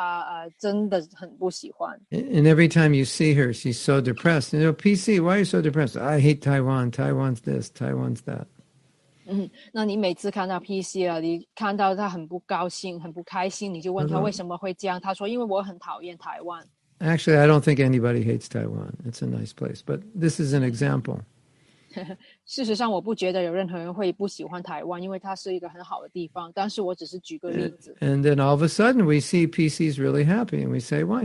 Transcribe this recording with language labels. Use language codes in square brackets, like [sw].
[zh] 那说，比如说，PC很不喜欢台湾，他真的很不喜欢。 [en] And every time you see her, she's so depressed. You know, PC, why are you so depressed? I hate Taiwan. Taiwan's this, Taiwan's that. [zh] 那你每次看到PC了，你看到他很不高兴、很不开心，你就问他为什么会这样。他说：“因为我很讨厌台湾。” [en] Actually, I don't think anybody hates Taiwan. It's a nice place, but this is an example. [zh] 事实上，我不觉得有任何人会不喜欢台湾，因为它是一个很好的地方。但是我只是举个例子。 [en] And then all of a sudden, we see PC's really happy, and we say, "Why?"